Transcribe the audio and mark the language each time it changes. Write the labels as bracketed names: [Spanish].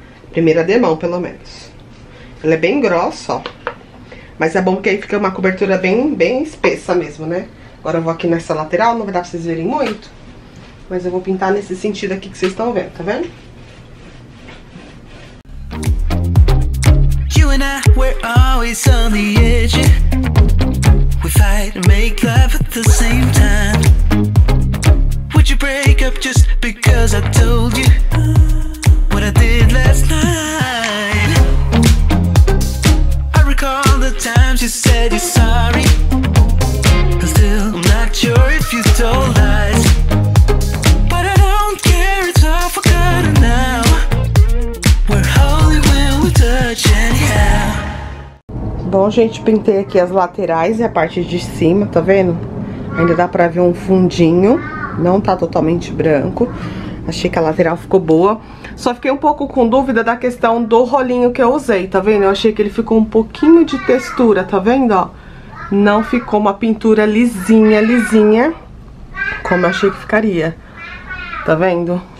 [Portuguese] Primeira demão, pelo menos. Ela é bem grossa, ó. Mas é bom que aí fica uma cobertura bem, bem espessa mesmo, né? Agora eu vou aqui nessa lateral, não vai dar pra vocês verem muito. Mas eu vou pintar nesse sentido aqui que vocês estão vendo, tá vendo? [English] You and I, we're always on the edge. We fight and make love at the same time. Would you break up just because I told you? What I did last night. I recall the times you said you're sorry. But still, I'm not sure if you told lies. But I don't care, it's all forgotten now. We're holy when we touch anyhow. [Portuguese] Bom, gente, pintei aqui as laterais e a parte de cima, tá vendo? Ainda dá pra ver um fundinho. Não tá totalmente branco. Achei que a lateral ficou boa. Só fiquei um pouco com dúvida da questão do rolinho que eu usei, tá vendo? Eu achei que ele ficou um pouquinho de textura, tá vendo, ó? Não ficou uma pintura lisinha, lisinha, como eu achei que ficaria, tá vendo?